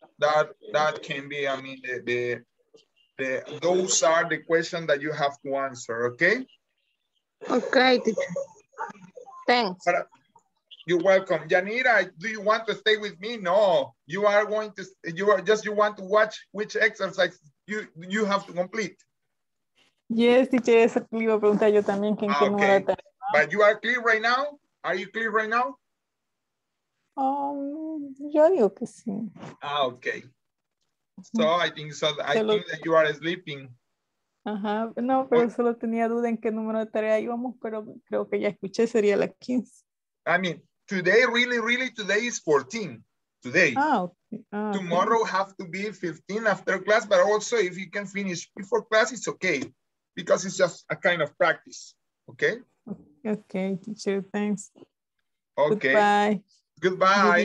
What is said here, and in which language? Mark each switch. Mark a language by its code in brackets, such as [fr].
[en] That can be, I mean, the those are the questions that you have to answer, okay? Okay, thanks. You're welcome. Yanira, do you want to stay with me? No, you are going to, you want to watch which exercise you have to complete. Yes, teacher, [es] esa le iba a preguntar yo también. [en] Okay, but you are clear right now? Are you clear right now? [es] Yo digo que sí. [en] Ah, okay. So I think so. I think that you are sleeping. [es] Ajá, no, pero solo tenía duda en qué número de tarea íbamos, pero creo que ya escuché, sería la 15. [en] I mean, today, really, today is 14. Today. Okay. Tomorrow have to be 15 after class, but also if you can finish before class, it's okay. Because it's just a kind of practice. Okay? Okay, teacher, thanks. Okay. Goodbye. Goodbye.